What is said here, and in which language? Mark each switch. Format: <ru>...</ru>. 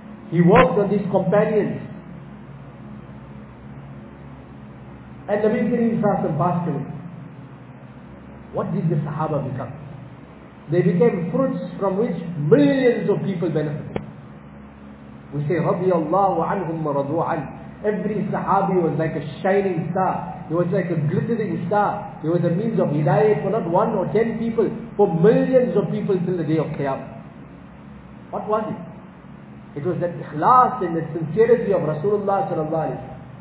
<en>He worked on these companions. And Nabi Kareem SAW passed away. What did the Sahaba become? They became fruits from which millions of people benefited.</en> <ar>We say, رَضِيَ اللَّهُ عَنْهُمْ رَضُوا عَنْهُ.</ar> <en>Every Sahabi was like a shining star. He was like a glittering star. He was a means of hidayah for not one or ten people, for millions of people till the day of Qiyamah. What was it? It was that ikhlas and the sincerity of Rasulullah sallallahu alayhi wa sallam.</en>